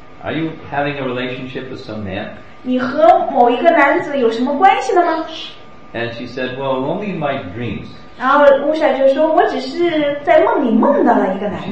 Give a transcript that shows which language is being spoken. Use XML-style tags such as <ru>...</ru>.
<en>Are you having a relationship with some man?</en> <zh>你和某一个男子有什么关系了吗?</zh> <en>And she said, well, only in my dreams.</en> <zh>然后乌夏就说,我只是在梦里梦到了一个男人。</zh>